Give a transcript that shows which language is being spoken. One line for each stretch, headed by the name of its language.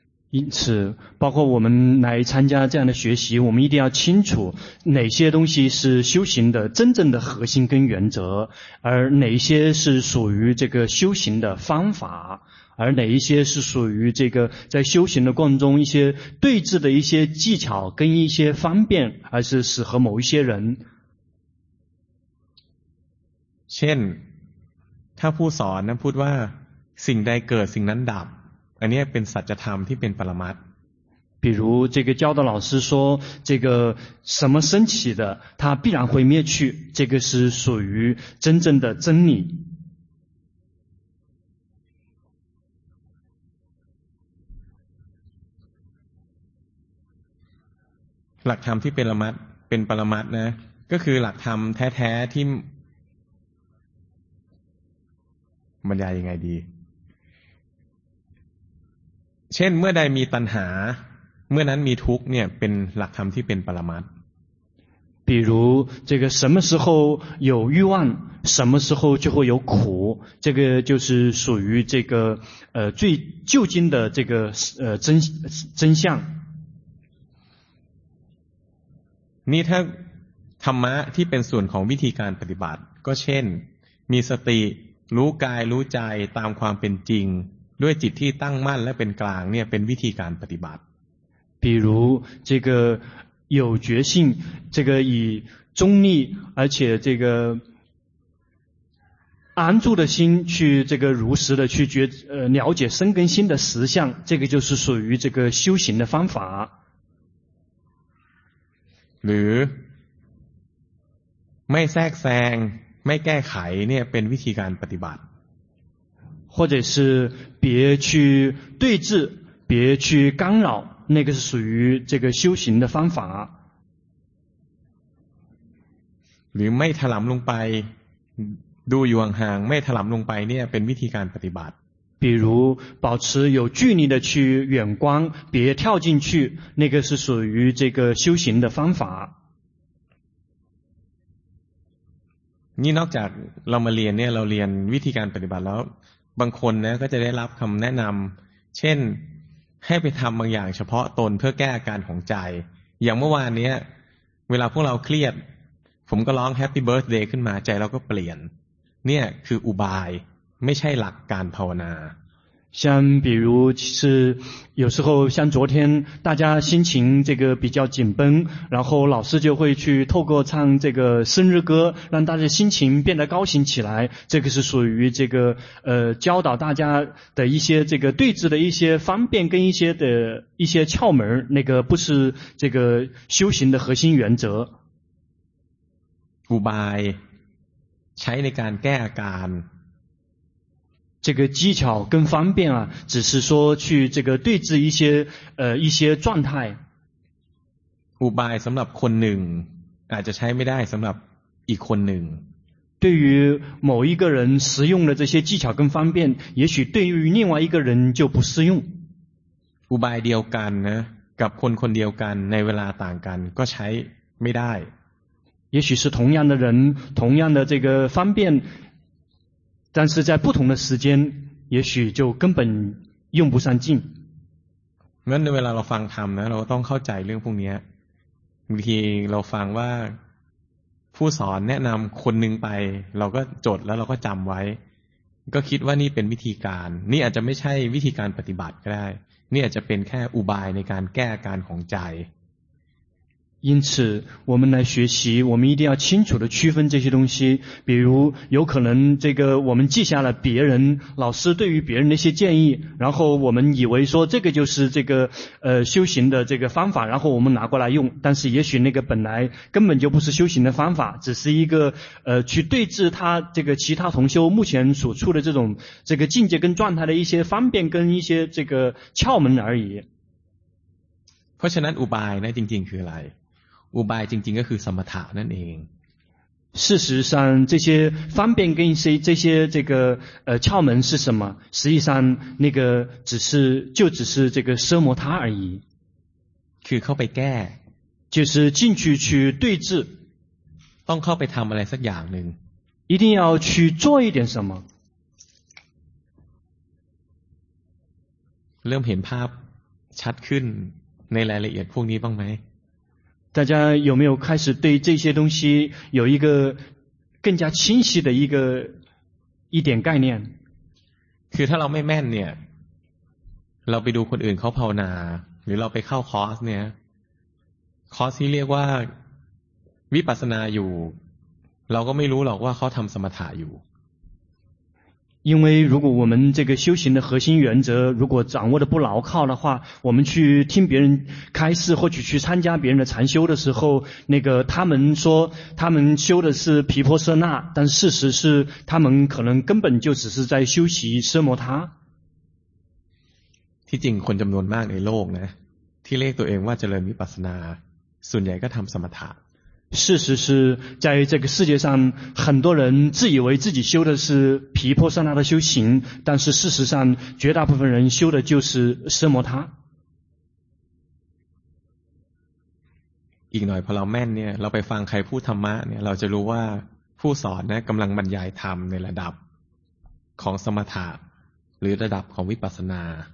Chinese: 因此包括我们来参加这样的学习我们一定要清楚哪些东西是修行的真正的核心跟原则而哪些是属于这个修行的方法而哪一些是属于这个在修行的过程中一些对治的一些技巧跟一些方便而是适合某一些人
Thai: เช่นถ้าผู้สอนนั้นพูดว่าสิ่งใดเกิดสิ่งนั้นดับอันนี้เป็นสัจธรรมที่เป็นปรมัตถ์
Chinese: 比如这个教导老师说这个什么升起的它必然会灭去这个是属于真正的真理
Thai: หลักธรรมที่เป็นปรมัตถ์เป็นปรมัตถ์นะก็คือหลักธรรมแท้ๆที่บรรยายยังไงดีเช่นเมื่อใดมีตัณหาเมื่อนั้นมีทุกข์เนี่ยเป็นหลักธรรมที่เป็นปรมัตถ์
Chinese: 比如这个什么时候有欲望什么时候就会有苦这个就是属于这个最究竟的这个真相
Thai: นี่ถ้าธรรมะที่เป็นส่วนของวิธีการปฏิบัติก็เช่นมีสติรู้กายรู้ใจตามความเป็นจริงด้วยจิตที่ตั้งมั่นและเป็นกลางเนี่ยเป็นวิธีการปฏิบัติ
Chinese: 比如这个有决心这个以中立而且这个安住的心去这个如实的去觉了解生根心的实相这个就是属于这个修行的方法
Thai: หรือไม่แทรกแซงไม่แก้ไขเนี่ยเป็นวิธีการปฏิบัติ
Chinese: 或者是别去对峙别去干扰那个是属于这个修行的方法
Thai: หรือไม่ถลำลงไปดูอยู่ห่างๆไม่ถลำลงไปเนี่ยเป็นวิธีการปฏิบัติ
Chinese: 比如保持有距离的去远观别跳进去那个是属于这个修行的方法
Thai: นี่นอกจากเรามาเรียนเนี่ยเราเรียนวิธีการปฏิบัติแล้วบางคนนะก็จะได้รับคำแนะนำเช่นให้ไปทำบางอย่างเฉพาะตนเพื่อแก้อาการของใจอย่างเมื่อวานเนี้ยเวลาพวกเราเครียดผมก็ร้องแฮปปี้เบิร์ธเดย์ขึ้นมาใจเราก็เปลี่ยนเนี่ยคืออุบายไม่ใช่หลักการภาวนา
Chinese: 像比如是有时候像昨天大家心情这个比较紧绷然后老师就会去透过唱这个生日歌让大家心情变得高兴起来这个是属于这个教导大家的一些这个对治的一些方便跟一些窍门那个不是这个修行的核心原则
Thai: อุบายใช้ในการแก้อาการ
Chinese: 这个技巧跟方便啊只是说去这个对治一些状态
Thai: อุบายสำหรับคนหนึ่งอาจจะใช้ไม่ได้สำหรับอีกคนหนึ่ง
Chinese: 对于某一个人使用的这些技巧跟方便也许对于另外一个人就不适用
Thai: อุบายเดียวกันนะกับคนคนเดียวกันในเวลาต่างกันก็ใช้ไม่ได้
Chinese: 也许是同样的人同样的这个方便但是在不同的时间也许就根本用不上劲
Thai: เมื่อในเวลาเราฟังธรรมนะเราต้องเข้าใจเรื่องพวกนี้บางทีเราฟังว่าผู้สอนแนะนำคนหนึ่งไปเราก็จดแล้วเราก็จำไว้ก็คิดว่านี่เป็นวิธีการนี่อาจจะไม่ใช่วิธีการปฏิบัติก็ได้นี่อาจจะเป็นแค่อุบายในการแก้อาการของใจ
Chinese: 因此我们来学习我们一定要清楚地区分这些东西比如有可能这个我们记下了别人老师对于别人的一些建议然后我们以为说这个就是这个修行的这个方法然后我们拿过来用但是也许那个本来根本就不是修行的方法只是一个去对治他这个其他同修目前所处的这种这个境界跟状态的一些方便跟一些这个窍门而已
Thai: เพราะฉะนั้นอุบายนะจริงๆคืออะไรอุบายจริงๆก็คือสมถะนั่นเอง
Chinese: 事实上这些方便跟这些这个窍门是什么实际上那个只是这个奢摩他而已
Thai: คือเข้าไปแก้
Chinese: 就是进去去对治
Thai: ต้องเข้าไปทำอะไรสักอย่างหนึ่ง
Chinese: 一定要去做一点什么
Thai: เริ่มเห็นภาพชัดขึ้นในรายละเอียดพวกนี้บ้างไหม
Chinese: 大家有没有开始对这些东西有一个更加清晰的一点概念？
Thai: คือถ้าเราไม่แม่นเนี่ยเราไปดูคนอื่นเขาภาวนาหรือเราไปเข้าคอร์สเนี่ยคอร์สที่เรียกว่าวิปัสสนาอยู่เราก็ไม่รู้หรอกว่าเขาทำสมถะอยู่
Chinese: 因为如果我们这个修行的核心原则如果掌握的不牢靠的话我们去听别人开示或者去参加别人的禅修的时候那个他们说他们修的是毗婆舍那但事实是他们可能根本就只是在修习奢摩他
Thai: ที่จริงคนจำนวนมากในโลกนะที่เรียกตัวเองว่าเจริญวิปัสสนาส่วนใหญ่ก็ทำสมถะ
Chinese: 事实是在这个世界上很多人自以为自己修的是毗婆舍那的修行但是事实上绝大部分人修的就是奢摩他
Thai: อีกหน่อยพอเราแม่นเนี่ยเราไปฟังใครพูดธรรมะเนี่ยเราจะรู้ว่าผู้สอนนะกำลังบรรยายธรรมในระดับของสมถะหรือระดับของวิปัสสนา